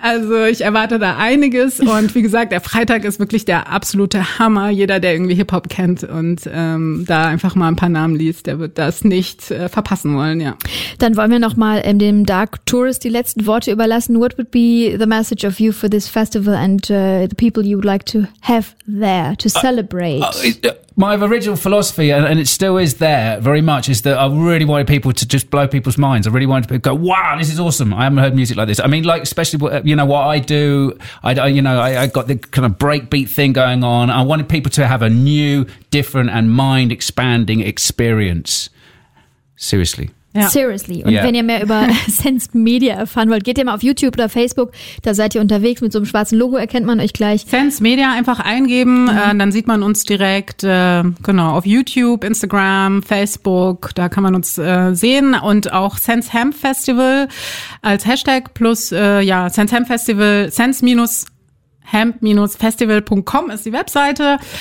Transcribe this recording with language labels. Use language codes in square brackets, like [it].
[de] Also ich erwarte da einiges und wie gesagt, der Freitag ist wirklich der absolute Hammer. Jeder, der irgendwie Hip-Hop kennt und da einfach mal ein paar Namen liest, der wird das nicht verpassen wollen, ja. Dann wollen wir nochmal dem Dark Tourist die letzten Worte überlassen. [en] What would be the message of you for this festival and the people you would like to have there to celebrate? My original philosophy, and it still is there very much, is that I really wanted people to just blow people's minds. I really wanted people to go, wow, this is awesome. I haven't heard music like this. I mean, like, especially, you know, what I do, I got the kind of breakbeat thing going on. I wanted people to have a new, different and mind expanding experience. Seriously. [de] Ja. [en] Seriously. [de] Und wenn ihr mehr über Sense Media erfahren wollt, geht ihr mal auf YouTube oder Facebook. Da seid ihr unterwegs mit so einem schwarzen Logo, erkennt man euch gleich. Sense Media einfach eingeben, dann sieht man uns direkt auf YouTube, Instagram, Facebook. Da kann man uns sehen und auch Sense Hemp Festival als Hashtag plus Sense Hemp Festival, sense-hemp-festival.com ist die Webseite.